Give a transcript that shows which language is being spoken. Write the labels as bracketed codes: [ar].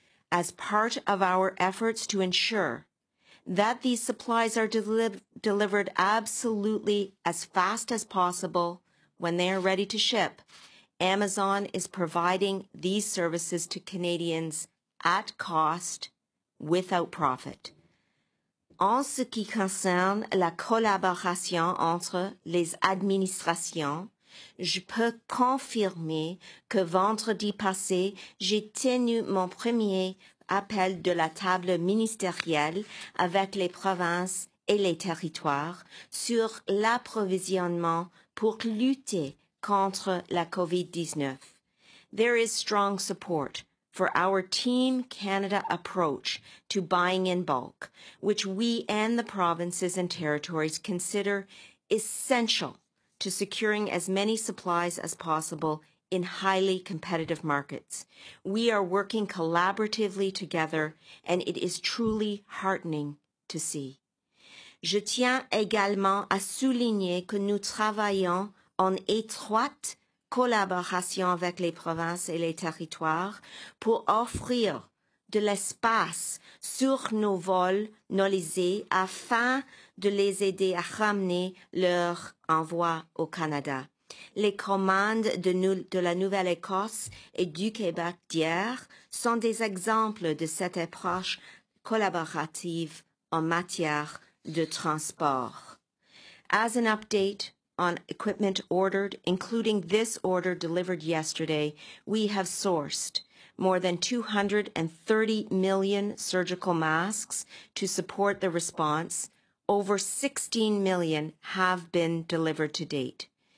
[en] As part of our efforts to ensure that these supplies are delivered absolutely as fast as possible when they are ready to ship, Amazon is providing these services to Canadians at cost, without profit. [fr] En ce qui concerne la collaboration entre les administrations, je peux confirmer que vendredi passé, j'ai tenu mon premier appel de la table ministérielle avec les provinces et les territoires sur l'approvisionnement pour lutter contre la COVID-19. [en] There is strong support for our Team Canada approach to buying in bulk, which we and the provinces and territories consider essential to securing as many supplies as possible in highly competitive markets. We are working collaboratively together, and it is truly heartening to see. [fr] Je tiens également à souligner que nous travaillons en étroite collaboration avec les provinces et les territoires pour offrir de l'espace sur nos vols nolisés afin de les aider à ramener leur envoi au Canada. Les commandes de la Nouvelle-Écosse et du Québec d'hier sont des exemples de cette approche collaborative en matière de transport. [en] As an update on equipment ordered, including this order delivered yesterday, we have sourced more than 230 million surgical masks to support the response. Over 16 million have been delivered to date.